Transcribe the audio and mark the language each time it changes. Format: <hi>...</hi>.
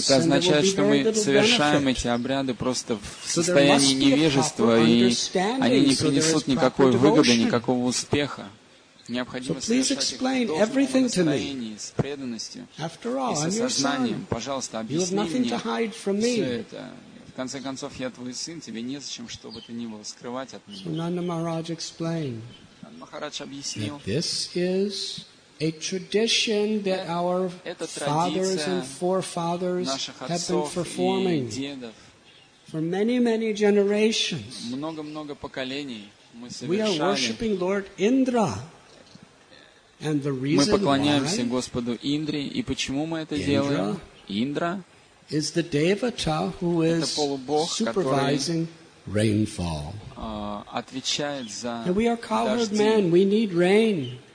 <ru>Это означает, что мы совершаем эти обряды просто в состоянии невежества, и они не принесут никакой выгоды, никакого успеха.</ru> <en>So please explain everything to me. After all, I'm your son. You have nothing to hide from me.</en> <ru>В конце концов, я твой сын, тебе незачем, чтобы ты не был скрывать от меня.</ru> <en>So Nanda Maharaj explained.</en> <ru>Nanda Maharaj объяснил.</ru> <en>This is a tradition that our fathers and forefathers have been performing for many, many generations.</en> <ru>Много-много поколений мы совершали.</ru> <en>We are worshiping Lord Indra. And the reason</en> <ru>мы поклоняемся Господу Индре, и почему мы это делаем? Индра — это полубог, который отвечает за дожди.</ru>